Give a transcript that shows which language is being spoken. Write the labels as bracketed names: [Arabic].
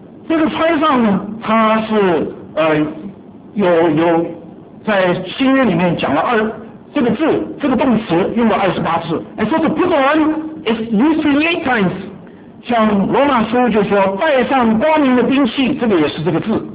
[Chinese] 这个穿上呢，它是有在新约里面讲了这个字，这个动词用了28次。 [English] And so to put on is used 38 times. [Chinese] 像罗马书就说戴上光明的兵器，这个也是这个字。